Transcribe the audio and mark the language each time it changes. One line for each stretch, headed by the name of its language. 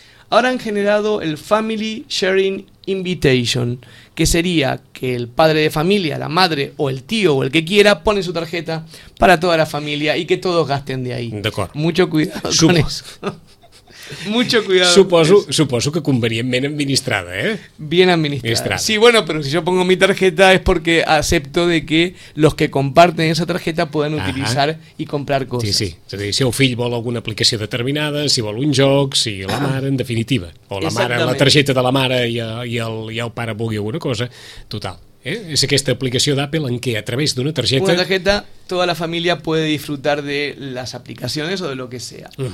Spanish: Ahora han generado el Family Sharing Invitation, que sería que el padre de familia, la madre o el tío o el que quiera, pone su tarjeta para toda la familia y que todos gasten de ahí. De acuerdo. Mucho cuidado con eso. Mucho cuidado. Supongo que convenientemente administrada, ¿eh? Bien administrada. Sí, bueno, pero si yo pongo mi tarjeta es porque acepto de que los que comparten esa tarjeta puedan utilizar y comprar cosas. Sí, sí.
Catalan: És a dir, si un fill vol alguna aplicació determinada, si vol un joc, si la mare, en definitiva. O la mare, la targeta de la mare i el pare vulgui alguna cosa. Total.
Spanish: ¿Eh? Es esta aplicación de Apple en que a través de una tarjeta toda la familia puede disfrutar de las aplicaciones o de lo que sea.